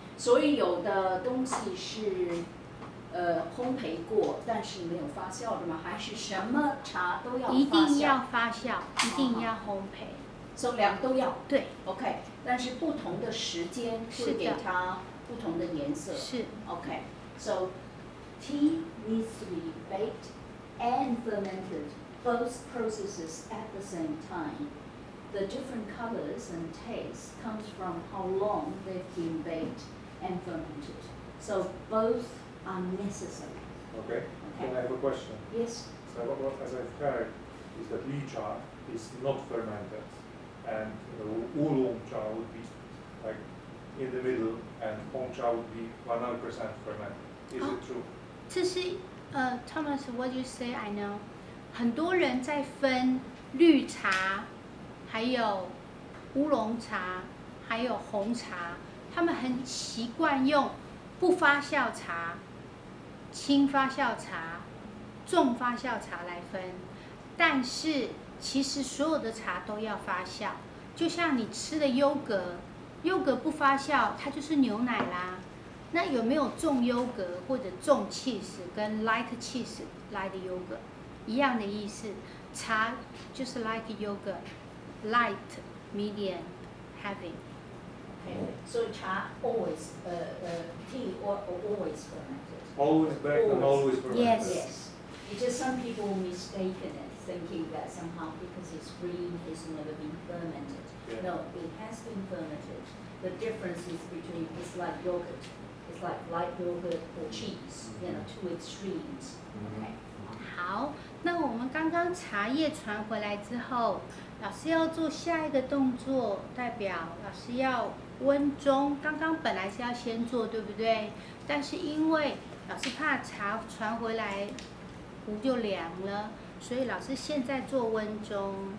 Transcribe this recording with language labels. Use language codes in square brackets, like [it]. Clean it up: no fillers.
[zh] 所以有的东西是，烘焙过，但是没有发酵的吗？还是什么茶都要发酵？一定要发酵，一定要烘焙。所以两个都要。对。 OK， 但是不同的时间会给它不同的颜色。是。 [en] OK， so tea needs to be baked and fermented both processes at the same time. The different colors and tastes comes from how long they've been baked and fermented. So both are necessary. Okay. Can I have a question? Yes. So what, as I've heard, is that Li cha is not fermented, and Oolong cha would be like in the middle, and Hong cha would be 100% fermented. Is it true? [zh] 这是 [en] Thomas, what do you say? I know. [zh] 很多人在分绿茶，还有乌龙茶，还有红茶。他们很习惯用不发酵茶、轻发酵茶、重发酵茶来分，但是其实所有的茶都要发酵。就像你吃的优格，优格不发酵，它就是牛奶啦。那有没有重优格或者重 cheese 跟 light cheese 来的优格？一样的意思，茶就是 [en] light yogurt， light， medium， heavy。 Okay， so 茶 always， tea always fermented。 Always baked and always fermented。 Yes， yes。 Because some people mistaken it, thinking that somehow because it's green, it's never been fermented.、 Yeah. No, it has been fermented. The difference is between it's like yogurt, it's like light yogurt or cheese. You know, two extremes. Okay， [zh] 好。那我们刚刚茶叶传回来之后，老师要做下一个动作，代表老师要温中。刚刚本来是要先做，对不对？但是因为老师怕茶传回来壶就凉了，所以老师现在做温中。